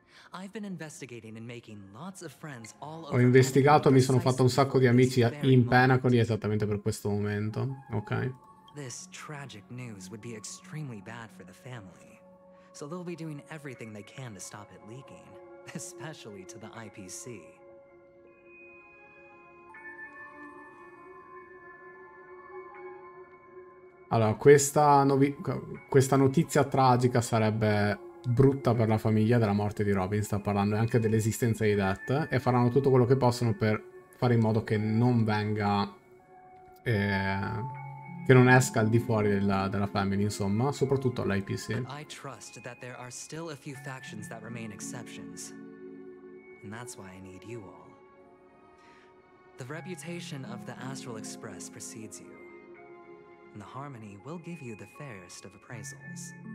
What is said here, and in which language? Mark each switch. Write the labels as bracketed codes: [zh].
[it] Ho investigato, mi sono fatto un sacco di amici in Penacoli esattamente per questo momento, ok? [en] This tragic news would be extremely bad for the family. So they'll be doing everything they can to stop it leaking, especially to the IPC. [it] Allora, questa notizia tragica sarebbe brutta per la famiglia della morte di Robin, sta parlando, e anche dell'esistenza di Death, e faranno tutto quello che possono per fare in modo che non venga, che non esca al di fuori della family, insomma, soprattutto all'IPC. [en] I trust that there are still a few factions that remain exceptions, and that's why I need you all. The reputation of the Astral Express precedes you. And the Harmony will give you the fairest of appraisals.